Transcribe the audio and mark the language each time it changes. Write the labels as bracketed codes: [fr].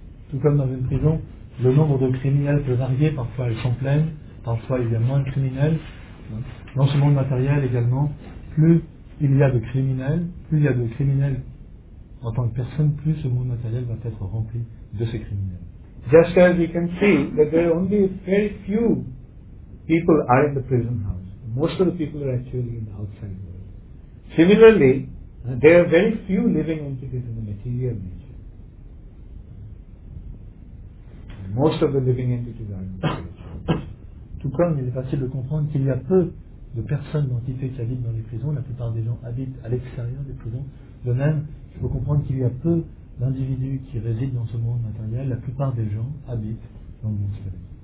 [fr] Tout comme dans une prison, le nombre de criminels peut varier, parfois elles sont pleines, parfois il y a moins de criminels. Dans ce monde matériel également, plus il y a de criminels, plus il y a de criminels en tant que personne, plus ce monde matériel va être rempli de ces criminels. [en] Just as we can see that there are only very few people are in the prison house. Most of the people are actually in the outside world. Similarly, there are very few living entities in the material nature. Most of the living entities are in the prison. [fr] Tout comme il est facile de comprendre qu'il y a peu de personnes d'entités qui habitent dans les prisons, la plupart des gens habitent à l'extérieur des prisons. De même, il faut comprendre qu'il y a peu d'individus qui résident dans ce monde matériel, la plupart des gens habitent dans le monde spirituel.